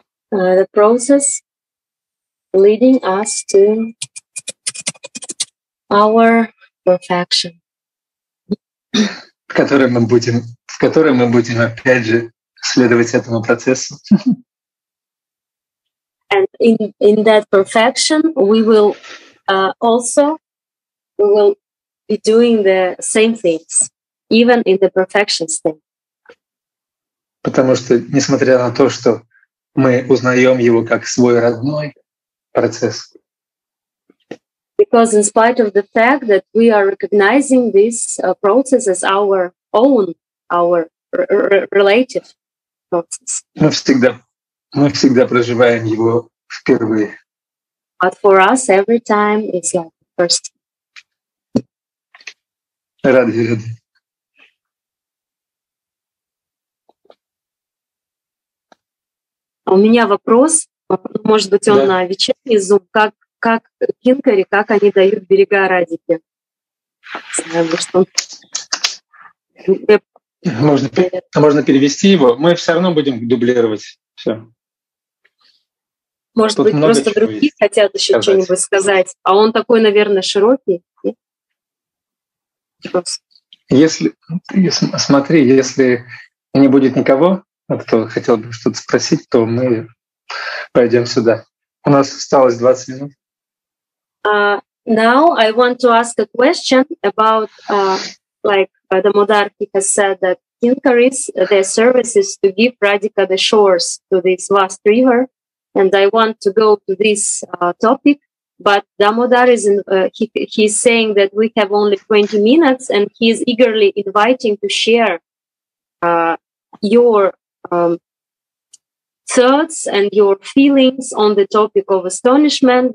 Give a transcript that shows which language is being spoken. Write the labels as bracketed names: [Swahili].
[English] The process leading us to our perfection. [Russian] В котором мы будем опять же следовать этому процессу. [English] And in that perfection, we will be doing the same things, even in the perfection state. [Russian] Потому что, несмотря на то, что мы узнаем его как свой родной процесс. [English] Because in spite of the fact that we are recognizing this process as our own, our relative process. [Russian] Мы всегда проживаем его впервые. [English] But for us, every time it's like the first time. [Russian] Радхи-радхи. У меня вопрос, может быть, он да. На вечерний зум. Как кинкари, как они дают берега Радхике? Можно перевести его? Мы все равно будем дублировать. Все. Может Тут быть, просто другие есть. Хотят еще сказать. Что-нибудь сказать. А он такой, наверное, широкий. Если не будет никого, кто хотел бы что-то спросить, то мы пойдем сюда. У нас осталось 20 минут. [English] Now I want to ask a question about the Mudarki has said that Kinkaris, their service is to give Radhika the shores to this vast river. And I want to go to this topic. But Damodar is he's saying that we have only 20 minutes, and he is eagerly inviting to share your thoughts and your feelings on the topic of astonishment.